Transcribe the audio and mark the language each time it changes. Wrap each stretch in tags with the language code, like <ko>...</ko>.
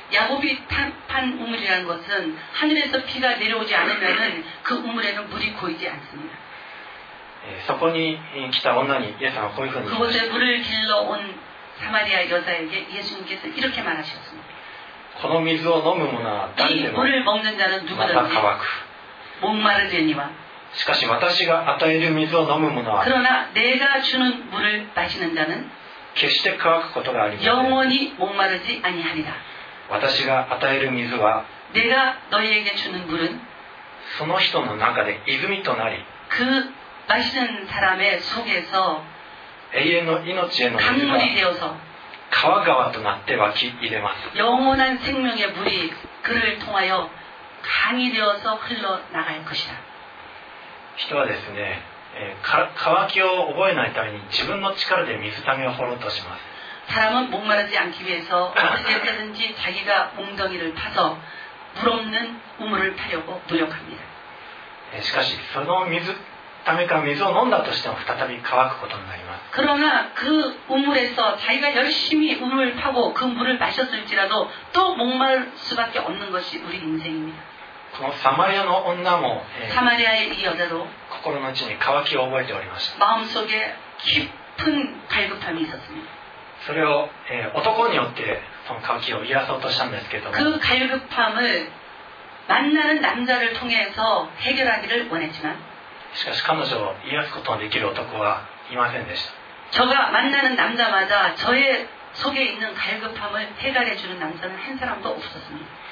<ko>야곱이 판우물이라는것은하늘에서비가내려오지않으면그우물에는물이고이지않습니다</ko> <ja>そこに来た女にイエス様はこういうふうに</ja> <ko>그곳에물을길러온사마리아여자에게예수님께서이렇게말하셨습니다</ko> <ja>この水を飲む者は誰でも</ja> <ko>물을먹는자는누구든지목마르지니와</ko> <ja>しかし私が与える水を飲む者は</ja> <ko>그러나내가주는물을마시는자는</ko> <ja>決して乾くことがありません</ja> <ko>영원히목마르지아니하리라</ko> <ja>私が与える水は</ja> <ko>내가너희에게주는물은</ko> <ja>その人の中で泉となり</ja> <ko>그마시는사람의속에서</ko> <ja>永遠の命への</ja> <ko>강물이되어서</ko> <ja>川川となって湧き入れます</ja> <ko>영원한생명의물이그를통하여강이되어서흘러나갈것이다</ko> <ja>人はですね、乾きを覚えないために自分の力で水溜めを掘ろうとします。</ja> <ko>사람은목마르지않기위해서어떻게해든지자기가웅덩이를파서물없는우물을파려고노력합니다</ko> <ja>しかし、その水溜めから水を飲んだとしても再び乾くことになります。</ja> <ko>그러나그우물에서자기가열심히우물을파고그물을마셨을지라도또목마를수밖에없는것이우리인생입니다</ko> <ja>このサマリアの女も</ja> <ko>사마리아의이여자도</ko> <ja>心の内に乾きを覚えておりました</ja> <ko>마음속에깊은갈급함이있었습니다</ko> <ja>それを男によってその乾きを癒そうとしたんですけども</ja> <ko>그갈급함을만나는남자를통해서해결하기를원했지만</ko> <ja>しかし彼女を癒すことができる男はいませんでした</ja> <ko>저가만나는남자마다저의속에있는갈급함을해결해주는남자는한사람도없었습니다</ko>